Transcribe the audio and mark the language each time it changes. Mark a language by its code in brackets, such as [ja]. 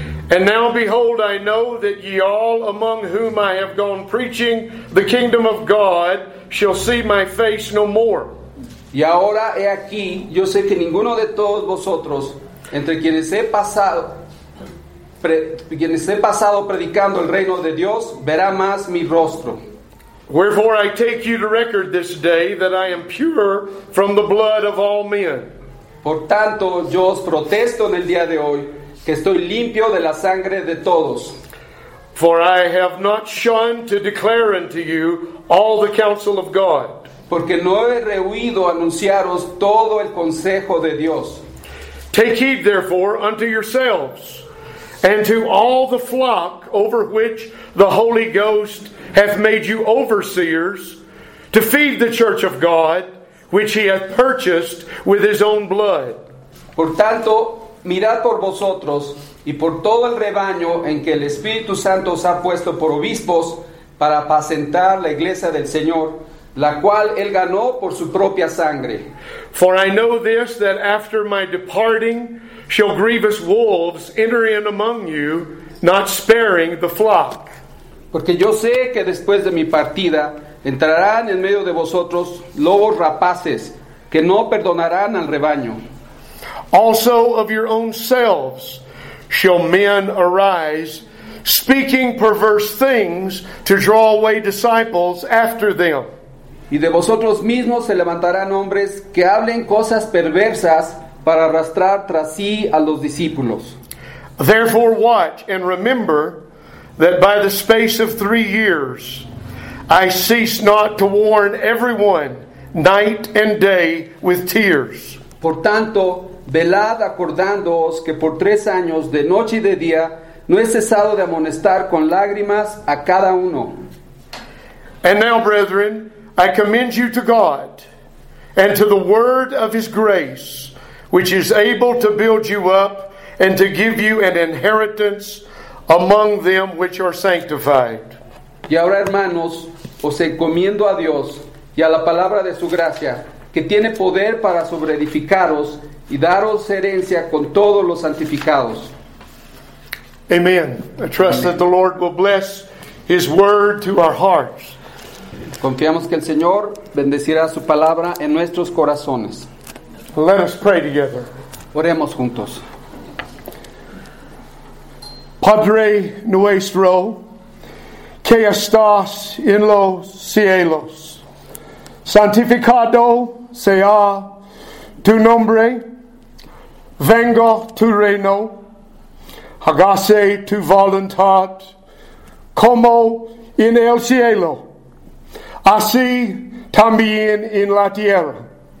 [en] And now behold, I know that ye all among whom I have gone preaching the kingdom of God shall see my face no more. [es] Y ahora he aquí, yo sé que ninguno de todos vosotros, entre quienes he pasado predicando el reino de Dios, verá más mi rostro. [en] Wherefore I take you to record this day that I am pure from the blood of all men. [es] Por tanto, yo os protesto en el día de hoy que estoy limpio de la sangre de todos. [en] For I have not shunned to declare unto you all the counsel of God. [es] Porque no he rehuido anunciaros todo el consejo de Dios. [en] Take heed therefore unto yourselves and to all the flock over which the Holy Ghost hath made you overseers, to feed the church of God, which he hath purchased with his own blood. [es] Por tanto, mirad por vosotros y por todo el rebaño en que el Espíritu Santo os ha puesto por obispos para apacentar la iglesia del Señor, la cual él ganó por su propia sangre. [en] For I know this, that after my departing shall grievous wolves enter in among you, not sparing the flock. [es] Porque yo sé que después de mi partida entrarán en medio de vosotros lobos rapaces que no perdonarán al rebaño. [en] Also of your own selves shall men arise, speaking perverse things to draw away disciples after them. [es] Y de vosotros mismos se levantarán hombres que hablen cosas perversas para arrastrar tras sí a los discípulos. [en] Therefore watch and remember that by the space of 3 years I cease not to warn everyone night and day with tears. [es] Por tanto, velad acordándoos que por 3 años de noche y de día no he cesado de amonestar con lágrimas a cada uno. [en] And now, brethren, I commend you to God and to the word of his grace, which is able to build you up and to give you an inheritance among them which are sanctified. [es] Y ahora, hermanos, os encomiendo a Dios y a la palabra de su gracia, que tiene poder para sobreedificaros y daros herencia con todos los santificados. [en] Amen. I trust Amen. That the Lord will bless his word to our hearts. [es] Confiamos que el Señor bendecirá su palabra en nuestros corazones. [en] Let us pray together. [es] Oremos juntos. Padre nuestro, que estás en los cielos, santificado sea tu nombre, venga tu reino, hágase tu voluntad, como en el cielo, así también en la tierra.